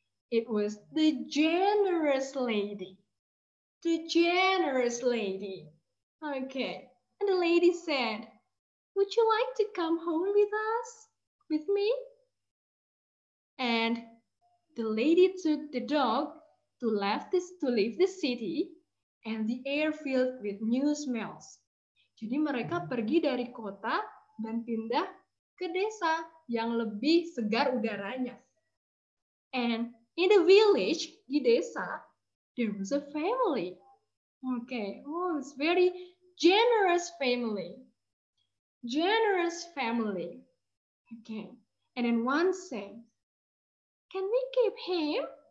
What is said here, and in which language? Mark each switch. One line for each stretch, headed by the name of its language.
English: It was the generous lady. The generous lady. Okay. And the lady said, "Would you like to come home with us? With me?" And the lady took the dog to leave the city, and the air filled with new smells.
Indonesian: Jadi mereka pergi dari kota dan pindah ke desa yang lebih segar udaranya.
English: And in the village,
Indonesian: di desa,
English: there was a family. Okay, oh, it's very generous family. Generous family. Okay, and then one said, "Can we keep him?"